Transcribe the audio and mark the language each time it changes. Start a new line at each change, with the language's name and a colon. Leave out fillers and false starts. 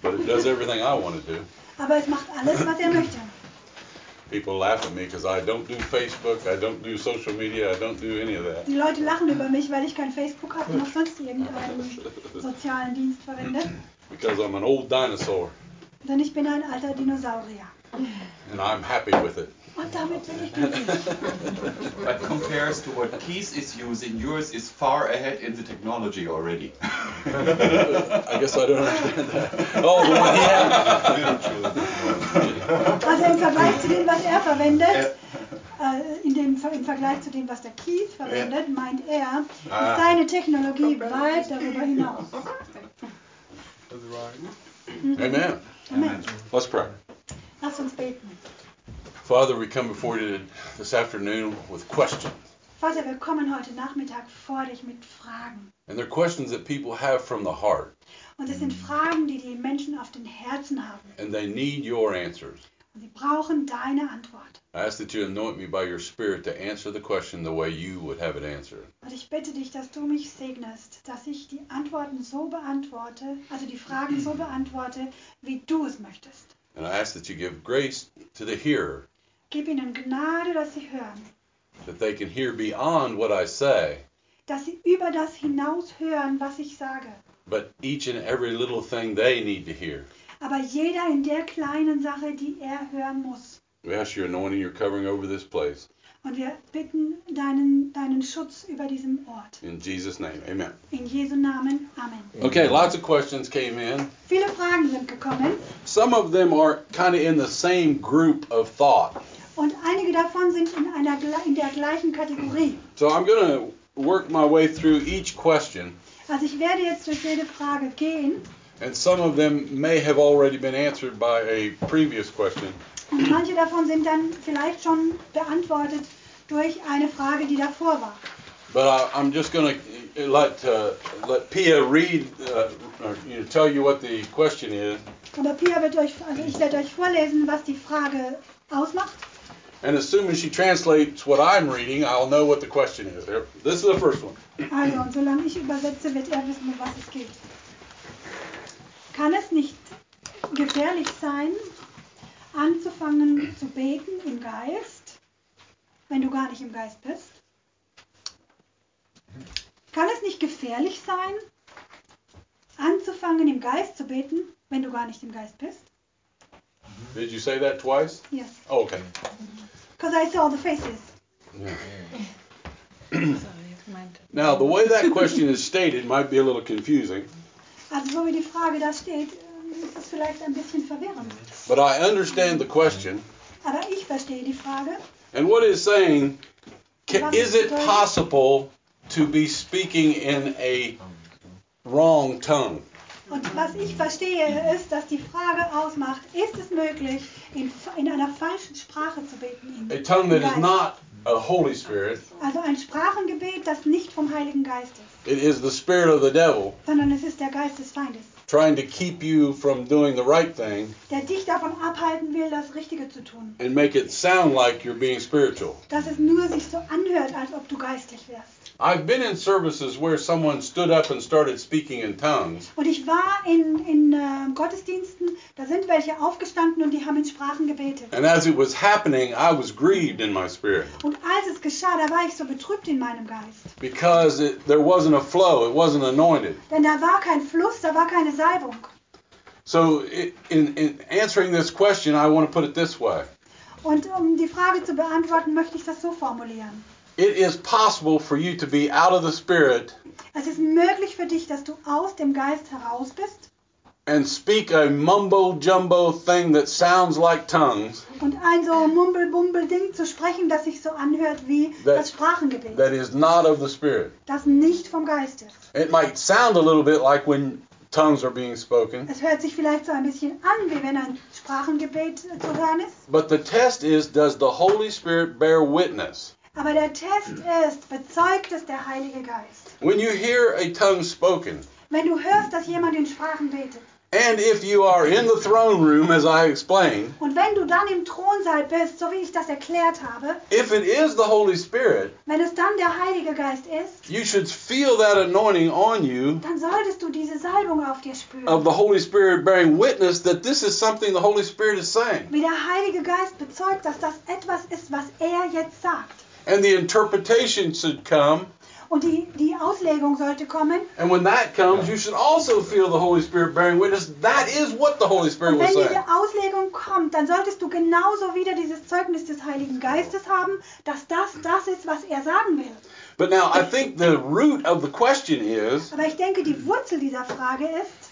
English: But it does everything I want to do.
German: Aber es macht alles, was möchte.
English: People laugh at me because I don't do Facebook, I don't do social media, I don't do any of that.
German: Die Leute lachen über mich, weil ich kein Facebook habe, noch sonst irgendeinen sozialen Dienst verwende.
English: Because I'm an old dinosaur.
German: Denn ich bin ein alter Dinosaurier.
English: And I'm happy with it.
German: Und damit bin ich glücklich.
English: But compares to what Keith is using, yours is far ahead in the technology already. I guess I don't understand that. Oh, yeah.
German: Also im Vergleich zu dem, was er verwendet, im Vergleich zu dem, was der Keith verwendet, meint er, ist seine Technologie weit darüber hinaus.
English: Amen.
German: Amen.
English: Let's pray.
German: Lass uns beten.
English: Father, we come before you this afternoon with questions.
German: Vater, wir kommen heute Nachmittag vor dich mit Fragen.
English: And they're questions that people have from the heart.
German: Und es sind Fragen, die die Menschen auf den Herzen haben.
English: And they need your answers.
German: Und sie brauchen deine Antwort.
English: I ask that you anoint me by your spirit to answer the question the way you would have it answered.
German: Und ich bitte dich, dass du mich segnest, dass ich die Antworten so beantworte, also die Fragen so beantworte, wie du es möchtest.
English: And I ask that you give grace to the hearer.
German: Gib ihnen Gnade, dass sie hören.
English: That they can hear beyond what I say.
German: Dass sie über das hinaus hören, was ich sage.
English: But each and every little thing they need to hear.
German: Aber jeder in der kleinen Sache, die er hören muss.
English: We ask your anointing, your covering over this place.
German: Und wir bitten deinen Schutz über diesem Ort.
English: In Jesus' name, amen.
German: In Jesu Namen, amen.
English: Okay, lots of questions came in.
German: Viele Fragen sind gekommen.
English: Some of them are kind of in the same group of thought.
German: Und einige davon sind in der gleichen Kategorie.
English: So I'm going to work my way through each question.
German: Also ich werde jetzt durch jede Frage gehen.
English: And some of them may have already been answered by a previous question.
German: Und manche davon sind dann vielleicht schon beantwortet durch eine Frage, die davor war.
English: But I'm just going to let Pia read, tell you what the question is.
German: Aber Pia wird euch, also ich werde euch vorlesen, was die Frage ausmacht.
English: And assuming she translates what I'm reading, I'll know what the question is. This is the first one.
German: Also, und solange ich übersetze, wird er wissen, um was es geht. Kann es nicht gefährlich sein, anzufangen zu beten im Geist, wenn du gar nicht im Geist bist? Kann es nicht gefährlich sein, anzufangen im Geist zu beten, wenn du gar nicht im Geist bist?
English: Did you say that twice? Yes. Oh, okay. Because I saw the faces. Now, the way that question is stated might be a little confusing.
German: Also, so wie die Frage da steht, ist es vielleicht ein bisschen verwirrend.
English: But I understand the question.
German: Aber ich verstehe die Frage.
English: And what it's saying, is it possible to be speaking in a wrong tongue?
German: Und was ich verstehe ist, dass die Frage ausmacht, ist es möglich, in einer falschen Sprache zu beten?
English: A tongue that is not a Holy Spirit.
German: Also ein Sprachengebet, das nicht vom Heiligen Geist ist.
English: It is the spirit of the devil.
German: Sondern es ist der Geist des Feindes.
English: Trying to keep you from doing the right thing.
German: Der dich davon abhalten will, das Richtige zu tun.
English: And make it sound like you're being spiritual.
German: Dass es nur sich so anhört, als ob du geistlich wärst.
English: I've been in services where someone stood up and started speaking in tongues.
German: Und ich war in Gottesdiensten, da sind welche aufgestanden und die haben in Sprachen gebetet.
English: And as it was happening, I was grieved in my spirit.
German: Und als es geschah, da war ich so betrübt in meinem Geist.
English: Because there wasn't a flow, it wasn't anointed.
German: Denn da war kein Fluss, da war keine Salbung.
English: So in answering this question, I want to put it this way.
German: Und um die Frage zu beantworten, möchte ich das so formulieren.
English: It is possible for you to be out of the spirit.
German: Es ist möglich für dich, dass du aus dem Geist heraus bist.
English: And speak a mumbo jumbo thing that sounds like tongues.
German: Und ein so mumble bumble Ding zu sprechen, das sich so anhört wie das Sprachengebet.
English: That is not of the spirit.
German: Das nicht vom Geist ist.
English: It might sound a little bit like when tongues are being spoken.
German: Es hört sich vielleicht so ein bisschen an, wie wenn ein Sprachengebet zu hören ist.
English: But the test is, does the Holy Spirit bear witness?
German: Aber der Test ist, bezeugt es der Heilige Geist?
English: When you hear a tongue spoken,
German: wenn du hörst, dass jemand in Sprachen betet,
English: And if you are in the throne room, as I explained,
German: und wenn du dann im Thronsaal bist, so wie ich das erklärt habe,
English: if it is the Holy Spirit,
German: wenn es dann der Heilige Geist ist,
English: you should feel that anointing on you,
German: dann solltest du diese Salbung auf dir spüren,
English: of the Holy Spirit bearing witness that this is something the Holy Spirit is saying.
German: Wie der Heilige Geist bezeugt, dass das etwas ist, was er jetzt sagt.
English: And the interpretation should come.
German: Und die Auslegung sollte kommen.
English: And when that comes, you should also feel the Holy Spirit bearing witness. That is what the Holy Spirit was saying.
German: Und wenn diese Auslegung kommt, dann solltest du genauso wieder dieses Zeugnis des Heiligen Geistes haben, dass das ist, was er sagen will.
English: But now, I think the root of the question is,
German: aber ich denke, die Wurzel dieser Frage ist,